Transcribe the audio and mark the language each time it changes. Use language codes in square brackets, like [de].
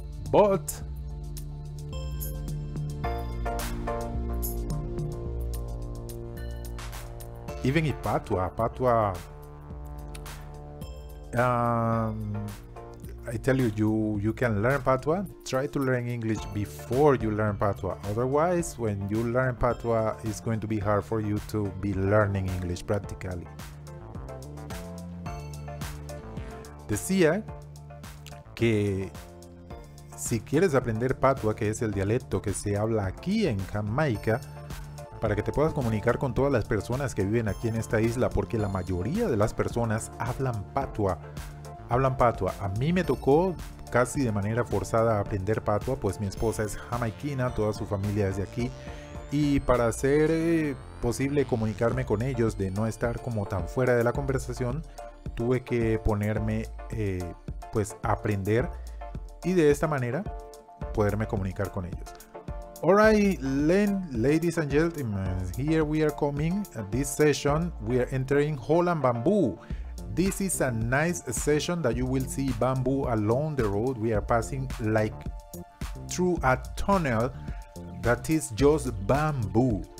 [en] But even if patois, I tell you, you can learn patois. Try to learn English before you learn patois. Otherwise, when you learn patois, it's going to be hard for you to be learning English practically. [es] Decía que si quieres aprender patois, que es el dialecto que se habla aquí en Jamaica, para que te puedas comunicar con todas las personas que viven aquí en esta isla, porque la mayoría de las personas hablan patua. Hablan patua. A mí me tocó casi de manera forzada aprender patua, pues mi esposa es jamaiquina, toda su familia es de aquí. Y para hacer posible comunicarme con ellos, de no estar como tan fuera de la conversación, tuve que ponerme pues aprender, y de esta manera poderme comunicar con ellos. [en] Alright, ladies and gentlemen, here we are coming. This session, we are entering Holland Bamboo. This is a nice session that you will see bamboo along the road. We are passing like through a tunnel that is just bamboo.